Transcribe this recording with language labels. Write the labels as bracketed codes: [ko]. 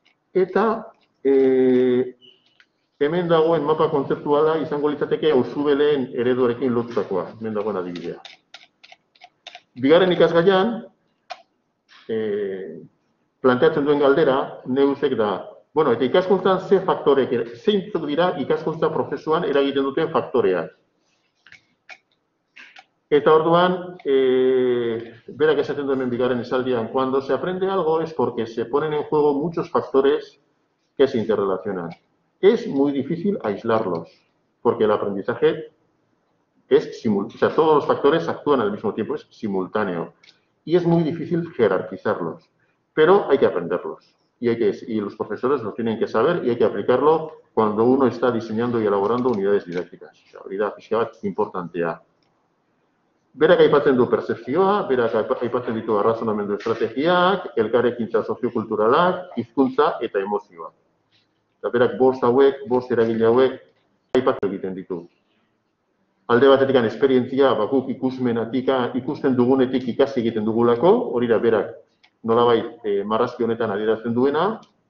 [eu] Eta hemen dagoen mapa kontzeptuala izango litzateke Auzubeleen ereduarekin lotutakoa, hemen dagoen adibidea. Bigarren ikasgaian, planteatzen duen galdera, neuzek da, bueno, eta ikaskuntzan ze faktorek, zeintzuk dira ikaskuntza prozesuan eragiten duten faktoreak. Eta orduan, berak esaten duen bigarren esaldian, [es] cuando se aprende algo es porque se ponen en juego muchos factores que se interrelacionan. Es muy difícil aislarlos, porque el aprendizaje es simultáneo, o sea, todos los factores actúan al mismo tiempo, es simultáneo. Y es muy difícil jerarquizarlos, pero hay que aprenderlos. Y los profesores lo tienen que saber y hay que aplicarlo cuando uno está diseñando y elaborando unidades didácticas. La habilidad física es importante ya. [eu] Berak aipatzen du percepzioa, berak aipatzen ditu arrazonamendu estrategiak, elkarrekintza soziokulturalak, hizkuntza eta emozioa. Eta berak bost hauek, bost eragile hauek aipatu egiten ditu. Alde batetik esperientzia, bakuk ikusmenatik, ikusten dugunetik ikasi egiten dugulako, hori da berak nolabait marrazki honetan adierazten duena.